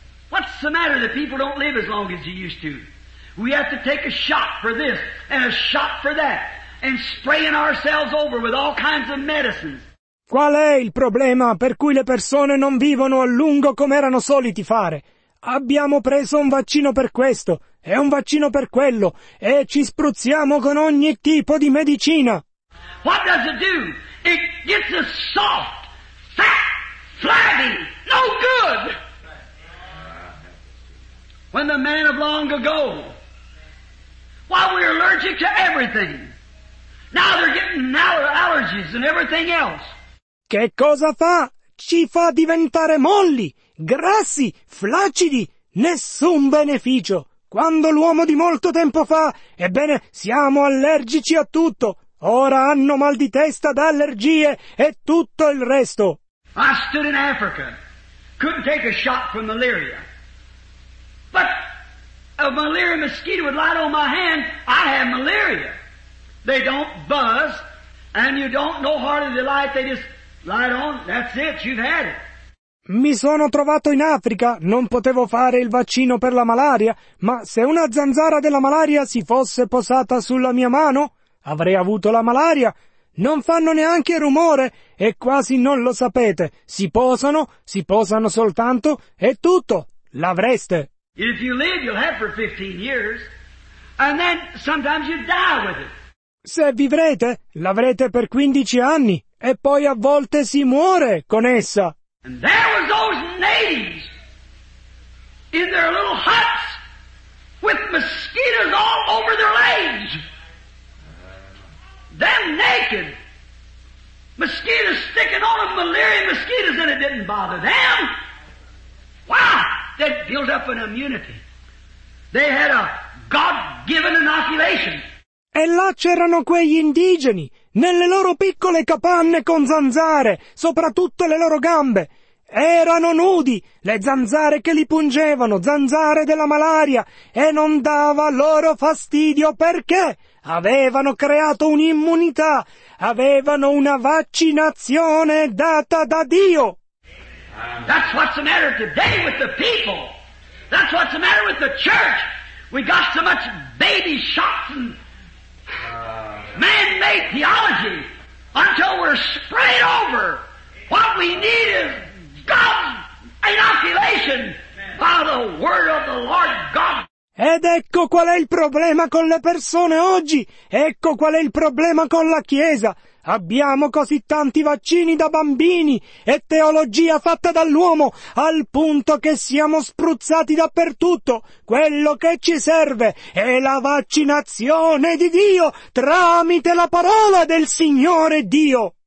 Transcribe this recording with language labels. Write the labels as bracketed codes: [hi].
[en] What's the matter that people don't live as long as you used to? We have to take a shot for this and a shot for that and spraying ourselves over with all kinds of medicines. [it] Qual è il problema per cui le persone non vivono a lungo come erano soliti fare? Abbiamo preso un vaccino per questo, e un vaccino per quello, e ci spruzziamo con ogni tipo di medicina. [en] What does it do? It gets us soft, fat, flabby, no good. When the man of long ago, while we're allergic to everything, now they're getting allergies and everything else. [it] Che cosa fa? Ci fa diventare molli, grassi, flaccidi, nessun beneficio. Quando l'uomo di molto tempo fa, ebbene, siamo allergici a tutto. Ora hanno mal di testa da allergie e tutto il resto. [en] I stood in Africa, couldn't take a shot for malaria. But a malaria mosquito would light on my hand, I have malaria. They don't buzz, and you don't know hardly the light, they just light on, that's it, you've had it. [it] Mi sono trovato in Africa, non potevo fare il vaccino per la malaria, ma se una zanzara della malaria si fosse posata sulla mia mano, avrei avuto la malaria. Non fanno neanche rumore, e quasi non lo sapete. Si posano soltanto, e tutto, l'avreste. [en] If you live, you'll have for 15 years, and then sometimes you die with it. [it] Se vivrete, l'avrete per 15 anni, e poi a volte si muore con essa. [en] And there was those natives in their little huts with mosquitoes all over their legs. Them naked. Mosquitoes sticking on them, malaria mosquitoes, and it didn't bother them. Why? They'd built up an immunity. They had a God-given inoculation. [it] E là c'erano quegli indigeni, nelle loro piccole capanne con zanzare, soprattutto le loro gambe. Erano nudi, le zanzare che li pungevano, zanzare della malaria, e non dava loro fastidio perché avevano creato un'immunità, avevano una vaccinazione data da Dio. [en] That's what's the matter today with the people. That's what's the matter with the church. We got so much baby shots and man-made theology until we're sprayed over. What we need is God's inoculation by the word of the Lord God. [it] Ed ecco qual è il problema con le persone oggi. Ecco qual è il problema con la Chiesa. Abbiamo così tanti vaccini da bambini e teologia fatta dall'uomo al punto che siamo spruzzati dappertutto. Quello che ci serve è la vaccinazione di Dio tramite la parola del Signore Dio.